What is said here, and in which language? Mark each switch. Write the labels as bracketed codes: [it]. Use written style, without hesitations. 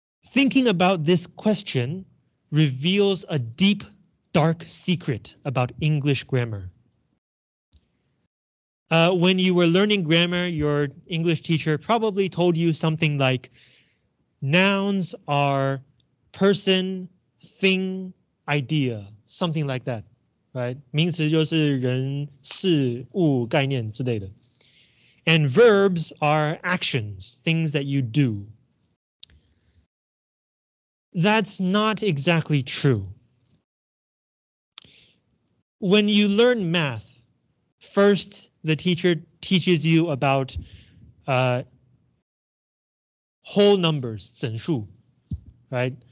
[en] Thinking about this question reveals a deep, dark secret about English grammar. When you were learning grammar, your English teacher probably told you something like, nouns are person, thing, idea, something like that, right? [zh] 名词就是人、事、物、概念之类的. [en] And verbs are actions, things that you do. That's not exactly true. When you learn math, first, the teacher teaches you about whole numbers, 整数, right?